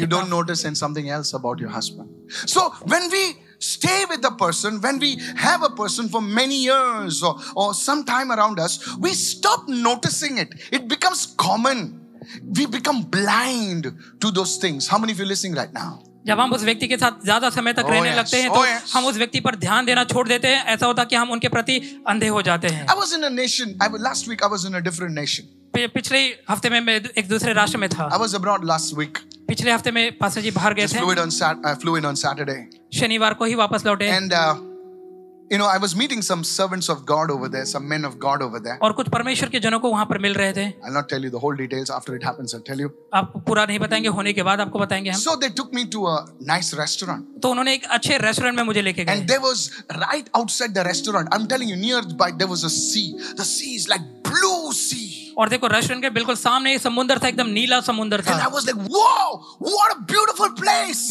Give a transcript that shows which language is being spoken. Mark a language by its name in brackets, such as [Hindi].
[English] You don't notice and something else about your husband. So when we stay with the person, when we have a person for many years or some time around us, we stop noticing it. It becomes common. We become blind to those things. How many of you are listening right now? [Hindi] जब हम उस व्यक्ति के साथ ज्यादा समय तक रहने लगते हैं तो हम उस व्यक्ति पर ध्यान देना छोड़ देते हैं. ऐसा होता है कि हम उनके प्रति अंधे हो जाते हैं. [English] I was in a nation. Last week I was in a different nation. [Hindi] पिछले हफ्ते में मैं एक दूसरे राष्ट्र में था. [English] I was abroad last week. [Hindi] पिछले हफ्ते में पास्टर जी बाहर गए थे. [English] I flew in on Saturday. [Hindi] शनिवार को ही वापस लौटे. [English] And I was meeting some servants of God over there, some men of God over there. [Hindi] और कुछ परमेश्वर के जनों को वहाँ पर मिल रहे थे. [English] I'll not tell you the whole details after it happens. I'll tell you. [Hindi] आपको पूरा नहीं बताएंगे, होने के बाद आपको बताएंगे हम. [English] So they took me to a nice restaurant. [Hindi] तो उन्होंने एक अच्छे रेस्टोरेंट में मुझे लेके गए. [English] And there was right outside the restaurant. I'm telling you, nearby there was a sea. The sea is like blue sea. [Hindi] और देखो रेस्टोरेंट के बिल्कुल सामने एक समुंदर था, एकदम नीला समुंदर था. [English] And I was like, "Wow, what a beautiful place!"